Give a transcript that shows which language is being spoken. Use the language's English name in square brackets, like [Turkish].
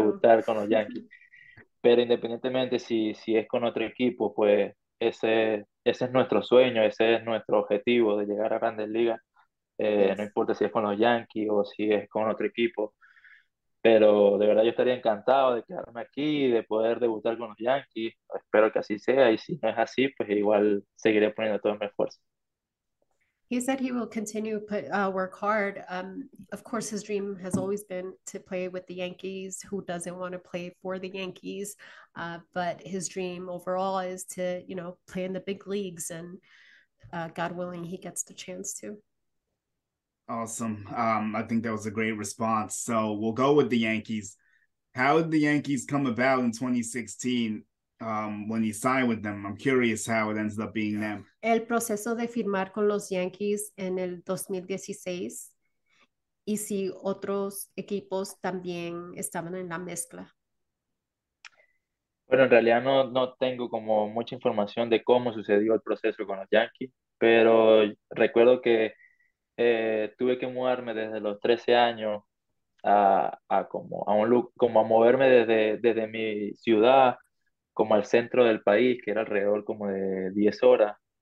[Spanish] debutar con los Yankees, pero independientemente si es con otro equipo, pues ese es nuestro sueño, ese es nuestro objetivo de llegar a Grandes Ligas, no [English] Yes. [Spanish] importa si es con los Yankees o si es con otro equipo. Pero de verdad yo estaría encantado de quedarme aquí, de poder debutar con los Yankees. Espero que así sea y si no es así, pues igual seguiré poniendo todo mi esfuerzo. [English] He said he will continue to work hard. Of course, his dream has always been to play with the Yankees. Who doesn't want to play for the Yankees? But his dream overall is to, play in the big leagues, and God willing, he gets the chance to. Awesome. I think that was a great response. So we'll go with the Yankees. How did the Yankees come about in 2016, when you signed with them? I'm curious how it ends up being them. [Spanish] El proceso de firmar con los Yankees en el 2016 y si otros equipos también estaban en la mezcla. Bueno, en realidad no tengo como mucha información de cómo sucedió el proceso con los Yankees, pero recuerdo que tuve que mudarme desde los 13 años como a moverme desde mi ciudad como al centro del país, que era alrededor como de 10 horas